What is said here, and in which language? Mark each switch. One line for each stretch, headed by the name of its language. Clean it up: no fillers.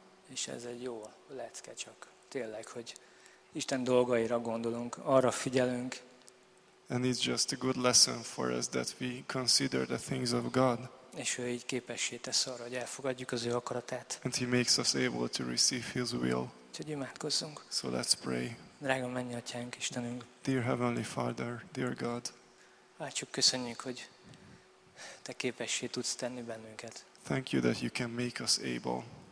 Hungarian: És ez egy jó lecke csak. Tényleg, hogy Isten dolgaira gondolunk, arra figyelünk.
English: And it's just a good lesson for us that we consider the things of God.
Hungarian: És ő így képessé tesz arra, hogy elfogadjuk az ő akaratát.
English: And he makes us able to receive his will.
Hungarian: Úgyhogy imádkozzunk.
English: So let's pray.
Hungarian: Drága mennyatyánk, Istenünk.
English: Dear Heavenly Father, dear God.
Hungarian: Áldjuk, köszönjük, hogy te képessé tudsz tenni bennünket.
English: Thank you that you can make us able.